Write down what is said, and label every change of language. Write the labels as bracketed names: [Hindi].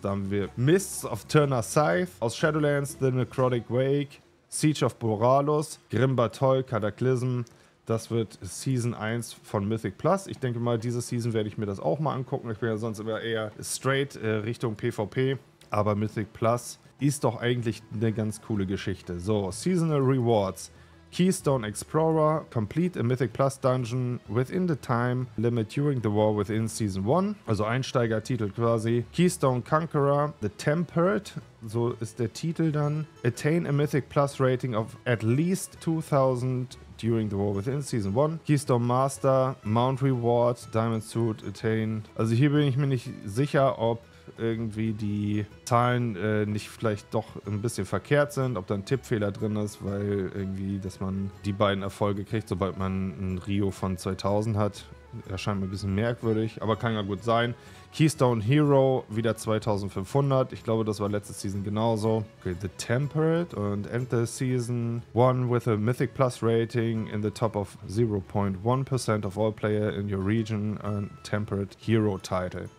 [German] Da haben wir Mists of Turner Scythe aus Shadowlands, The Necrotic Wake, Siege of Boralus, Grim Batoll, Cataclysm. Das wird Season 1 von Mythic Plus. Ich denke mal, diese Season werde ich mir das auch mal angucken. Ich bin ja sonst immer eher straight Richtung PvP. Aber Mythic Plus ist doch eigentlich eine ganz coole Geschichte. So, Seasonal Rewards. [English] Keystone Explorer, complete a Mythic Plus Dungeon within the time limit during the war within Season 1. [German] Also Einsteigertitel quasi. Keystone Conqueror, The Tempered, so ist der Titel dann. [English] Attain a Mythic Plus Rating of at least 2000 during the war within Season 1. Keystone Master, Mount Reward, Diamond Suit, Attain. [German] Also hier bin ich mir nicht sicher, ob irgendwie die Zahlen nicht vielleicht doch ein bisschen verkehrt sind, ob da ein Tippfehler drin ist, weil irgendwie, dass man die beiden Erfolge kriegt, sobald man ein Rio von 2000 hat, erscheint mir ein bisschen merkwürdig, aber kann ja gut sein. Keystone Hero, wieder 2500, ich glaube, das war letzte Season genauso. [English] Okay, The Tempered und End the Season, one with a Mythic Plus Rating in the top of 0.1% of all player in your region, and Tempered Hero Title.